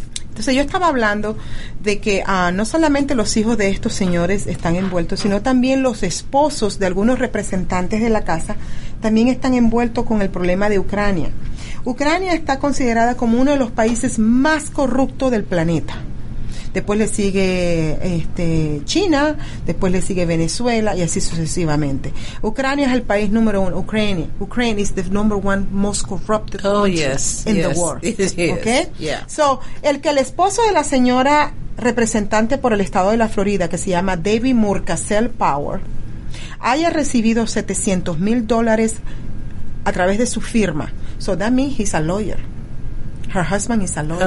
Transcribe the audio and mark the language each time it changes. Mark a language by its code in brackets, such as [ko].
[es] Entonces, yo estaba hablando de que no solamente los hijos de estos señores están envueltos, sino también los esposos de algunos representantes de la casa también están envueltos con el problema de Ucrania. Ucrania está considerada como uno de los países más corruptos del planeta. Después le sigue China, después le sigue Venezuela y así sucesivamente. Ucrania es el país número uno. [en] Ukraine is the number one most corrupted country The world. Yes. Okay? Yeah. [es] So, el que el esposo de la señora representante por el estado de la Florida, que se llama David Murcassell Power, haya recibido $700,000 a través de su firma. [en] So that means he's a lawyer. Her husband is a lawyer.